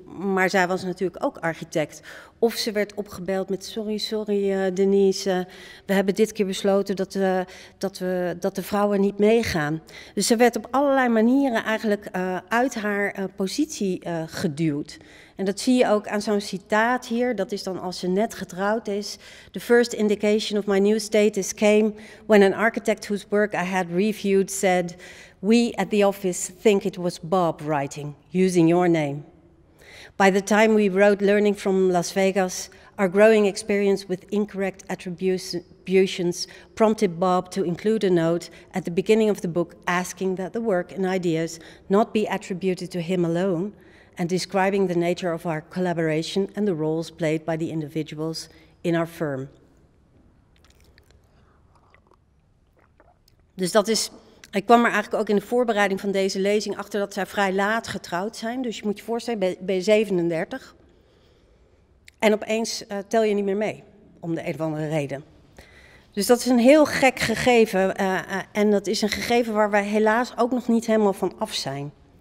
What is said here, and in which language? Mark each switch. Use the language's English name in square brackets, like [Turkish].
[Dutch] Maar zij was natuurlijk ook architect. Of ze werd opgebeld met sorry Denise, we hebben dit keer besloten dat de vrouwen niet meegaan. Dus ze werd op allerlei manieren eigenlijk uit haar positie geduwd. En dat zie je ook aan zo'n citaat hier, dat is dan als ze net getrouwd is. [English] The first indication of my new status came when an architect whose work I had reviewed said, we at the office think it was Bob writing, using your name. By the time we wrote Learning from Las Vegas, our growing experience with incorrect attributions prompted Bob to include a note at the beginning of the book asking that the work and ideas not be attributed to him alone, and describing the nature of our collaboration and the roles played by the individuals in our firm. [Dutch] Dus dat is, ik kwam er eigenlijk ook in de voorbereiding van deze lezing achter dat zij vrij laat getrouwd zijn. Dus je moet je voorstellen, ben je 37. En opeens tel je niet meer mee, om de een of andere reden. Dus dat is een heel gek gegeven. En dat is een gegeven waar wij helaas ook nog niet helemaal van af zijn.